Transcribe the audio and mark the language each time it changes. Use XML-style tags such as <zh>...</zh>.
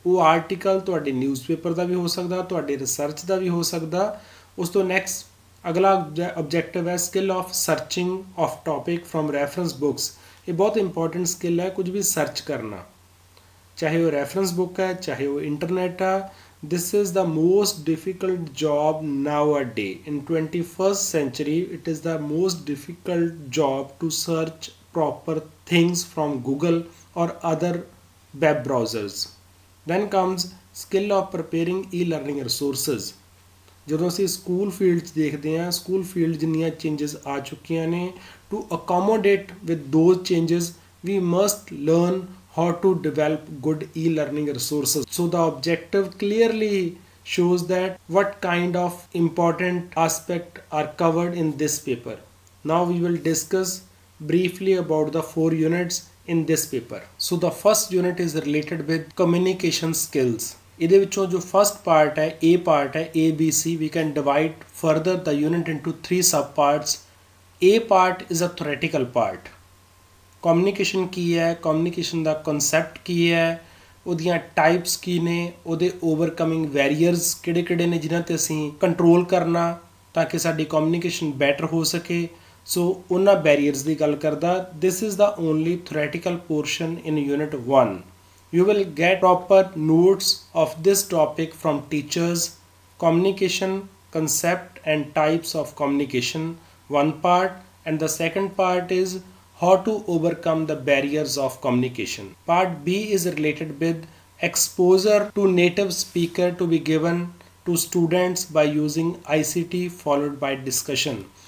<pa>ਉਹ ਆਰਟੀਕਲ ਤੁਹਾਡੇ ਨਿਊਜ਼ਪੇਪਰ ਦਾ ਵੀ ਹੋ ਸਕਦਾ, ਤੁਹਾਡੇ ਰਿਸਰਚ ਦਾ ਵੀ ਹੋ ਸਕਦਾ। ਉਸ ਤੋਂ ਨੈਕਸਟ ਅਗਲਾ ਓਬਜੈਕਟਿਵ ਹੈ</pa> <en>Skill of searching of topic from reference books.</en> <pa>ਇਹ ਬਹੁਤ ਇੰਪੋਰਟੈਂਟ ਸਕਿੱਲ ਹੈ, ਕੁਝ ਵੀ ਸਰਚ ਕਰਨਾ, ਚਾਹੇ ਉਹ ਰੈਫਰੈਂਸ ਬੁੱਕ ਹੈ, ਚਾਹੇ ਉਹ ਇੰਟਰਨੈਟ ਆ।</pa> <en>This is the most difficult job nowadays. In 21st century, it is the most difficult job to search proper things from Google or other web browsers. Then comes skill of preparing e-learning resources.</en> <pa>ਜਦੋਂ ਅਸੀਂ school fields ਦੇਖਦੇ ਹਾਂ, school field ਜਿੰਨੀਆਂ changes ਆ ਚੁੱਕੀਆਂ ਨੇ,</pa> <en>To accommodate with those changes, we must learn how to develop good e-learning resources. So the objective clearly shows that what kind of important aspect are covered in this paper. Now we will discuss briefly about the four units in this paper. So the first unit is related with communication skills.</en> <pa>ਇਹਦੇ ਵਿੱਚੋਂ ਜੋ first part ਹੈ,</pa> <en>A part ਹੈ, A B C, we can divide further the unit into three sub parts. A part is a theoretical part.</en> <pa>Communication ਕੀ ਹੈ, communication ਦਾ concept ਕੀ ਹੈ, ਉਹਦੀਆਂ types ਕੀ ਨੇ, ਉਹਦੇ ਓਵਰਕਮਿੰਗ ਵੈਰੀਅਰਸ ਕਿਹੜੇ ਕਿਹੜੇ ਨੇ ਜਿਨ੍ਹਾਂ 'ਤੇ ਅਸੀਂ ਕੰਟਰੋਲ ਕਰਨਾ ਤਾਂ ਕਿ ਸਾਡੀ ਕਮਿਊਨੀਕੇਸ਼ਨ ਬੈਟਰ ਹੋ ਸਕੇ। ਸੋ ਉਹਨਾਂ ਬੈਰੀਅਰਸ ਦੀ ਗੱਲ ਕਰਦਾ।</pa> <en>This is the only theoretical portion in unit 1। You will get proper notes of this topic from teachers. Communication concept and types of communication</en> <pa>one part, and ਦਾ second part is</pa> <en>how to overcome the barriers of communication. Part B is related with exposure to native speaker to be given to students by using ICT followed by discussion.</en>